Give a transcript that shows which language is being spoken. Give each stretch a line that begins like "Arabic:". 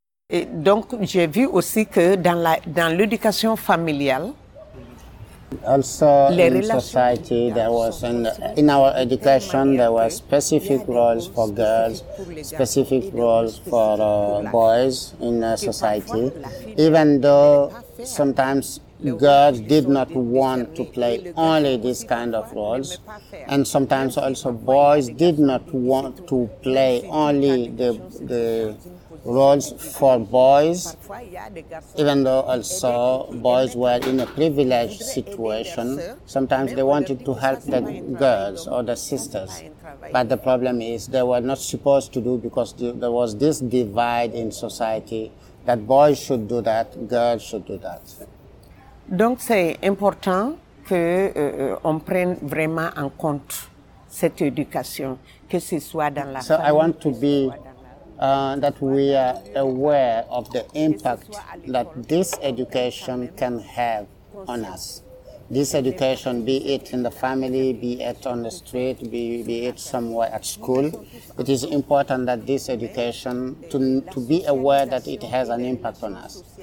French: Et donc, j'ai vu aussi que dans l'éducation familiale,
English: also in society, there was in our education, there were specific roles for girls, specific roles for boys in society, even though sometimes girls did not want to play only this kind of roles, and sometimes also boys did not want to play only the roles for boys, even though also boys were in a privileged situation. Sometimes they wanted to help the girls or the sisters.
French: travail.
English: But the problem is they were not supposed to do because there was this divide in society that boys should do that, girls should do that.
French: Donc c'est important que on prenne vraiment en compte cette éducation, que ce soit dans la
English: famille. So I want to be that we are aware of the impact that this education can have on us. This education, be it in the family, be it on the street, be it somewhere at school, it is important that this education, to be aware that it has an impact on us.